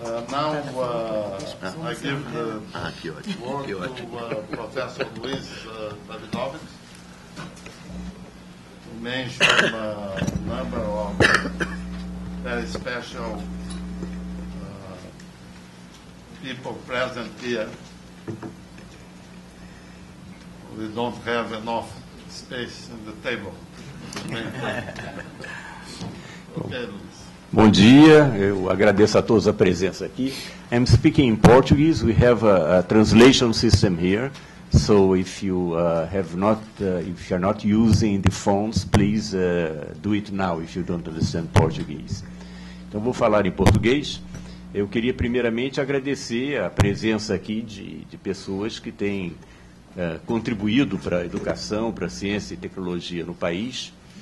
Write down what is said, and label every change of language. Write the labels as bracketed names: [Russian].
[English] Now I give the word to Professor Luiz Davidovich to mention a number of very special people present here. We don't have enough space in the table. Okay, Luiz. [Portuguese] Bom dia, eu agradeço a todos a presença aqui. [English] I'm speaking in Portuguese, we have a translation system here, so if you have not, if you're not using the phones, please do it now, if you don't understand Portuguese. [Portuguese] Então, vou falar em português. Eu queria primeiramente agradecer a presença aqui de pessoas que têm contribuído para a educação, para a ciência e tecnologia no país.